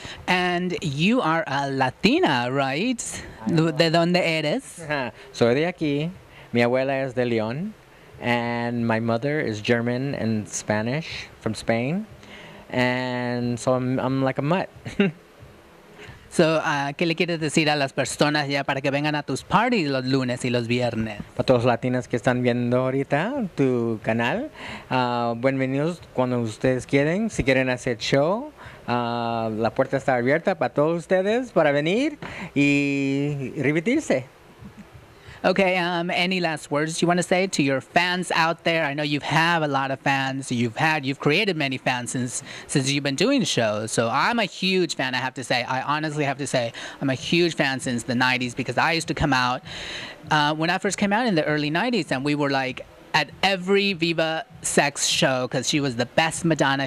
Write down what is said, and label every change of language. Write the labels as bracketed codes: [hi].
[en] And you are a Latina, right? [es] ¿De dónde eres? Soy de aquí. Mi abuela es de León. [en] And my mother is German and Spanish from Spain. And so I'm like a mutt. [es] So, ¿qué le quieres decir a las personas ya para que vengan a tus parties los lunes y los viernes? Para todos los latinos que están viendo ahorita tu canal, bienvenidos cuando ustedes quieren. Si quieren hacer show, la puerta está abierta para todos ustedes para venir y repetirse. [en] Okay, any last words you want to say to your fans out there? I know you have a lot of fans. You've created many fans since you've been doing shows. So I'm a huge fan, I have to say. I honestly have to say I'm a huge fan since the 90s because I used to come out when I first came out in the early 90s, and we were like at every Viva Sex show because she was the best Madonna.